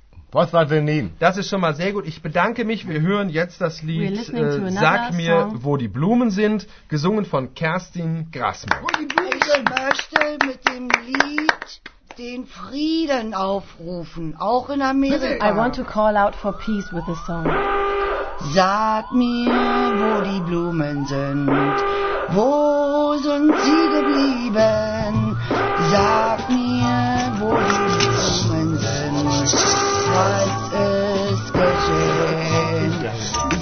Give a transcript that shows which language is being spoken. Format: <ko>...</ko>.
<en>What does it mean?</en> <de>Das ist schon mal sehr gut. Ich bedanke mich. Wir hören jetzt das Lied Sag mir, wo die Blumen sind, gesungen von Kerstin Grassmann. Wo die Blumen sind. Ich möchte mit dem Lied den Frieden aufrufen, auch in Amerika.</de> <en>I want to call out for peace with the song.</en> <de>Sag mir, wo die Blumen sind, wo sind sie geblieben? Sag mir, wo die Blumen sind, was ist geschehen?</de>